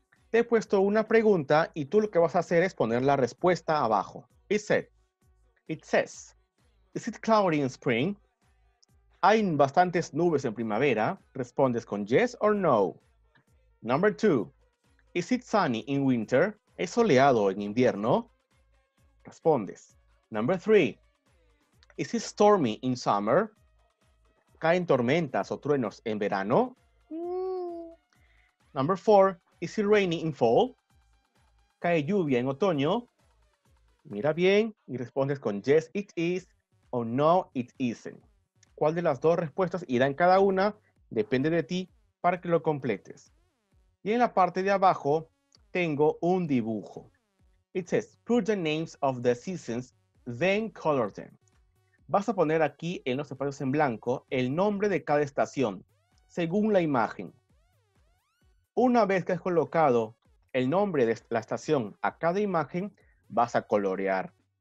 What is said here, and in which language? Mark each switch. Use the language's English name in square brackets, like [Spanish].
[Spanish] Te he puesto una pregunta y tú lo que vas a hacer es poner la respuesta abajo. [English] It says, is it cloudy in spring? [Spanish] ¿Hay bastantes nubes en primavera? Respondes con [English] yes or no. Number 2. Is it sunny in winter? [Spanish] ¿Es soleado en invierno? Respondes. [English] Number 3. Is it stormy in summer? [Spanish] ¿Caen tormentas o truenos en verano? [English] Number 4. Is it rainy in fall? [Spanish] ¿Cae lluvia en otoño? Mira bien y respondes con [English] yes it is [Spanish] o [English] no it isn't. [Spanish] ¿Cuál de las dos respuestas irá en cada una? Depende de ti para que lo completes. Y en la parte de abajo tengo un dibujo. [English] It says, put the names of the seasons, then color them. [Spanish] Vas a poner aquí en los espacios en blanco el nombre de cada estación, según la imagen. Una vez que has colocado el nombre de la estación a cada imagen, vas a colorear.